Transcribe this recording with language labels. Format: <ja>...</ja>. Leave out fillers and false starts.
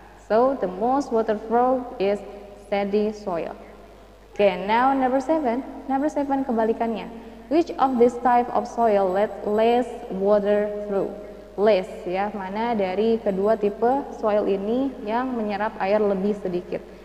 <en>So, the most waterproof is sandy soil. Okay, now number seven. Number seven, kebalikannya. Which of this type of soil let less water through?</en> <id>Less, ya, mana dari kedua tipe soil ini yang menyerap air lebih sedikit.</id>